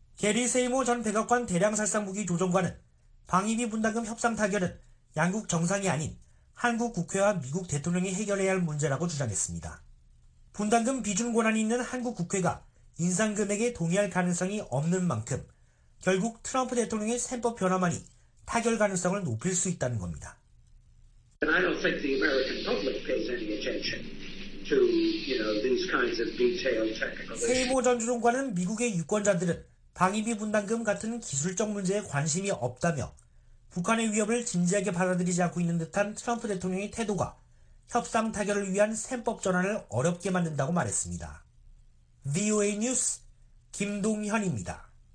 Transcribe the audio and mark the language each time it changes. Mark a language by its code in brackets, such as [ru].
[ko] 게리 세이모 전 백악관 대량살상무기 조정관은 방위비 분담금 협상 타결은 양국 정상이 아닌 한국 국회와 미국 대통령이 해결해야 할 문제라고 주장했습니다. 분담금 비준 권한이 있는 한국 국회가 인상 금액에 동의할 가능성이 없는 만큼 결국 트럼프 대통령의 셈법 변화만이 타결 가능성을 높일 수 있다는 겁니다. [en] And I don't think the American public pays any attention to, you know, these kinds of detailed technical issues. [ko] 세이모 전 주종관은 미국의 유권자들은 방위비 분담금 같은 기술적 문제에 관심이 없다며 북한의 위협을 진지하게 받아들이지 않고 있는 듯한 트럼프 대통령의 태도가 협상 타결을 위한 셈법 전환을 어렵게 만든다고 말했습니다. VOA 뉴스 김동현입니다.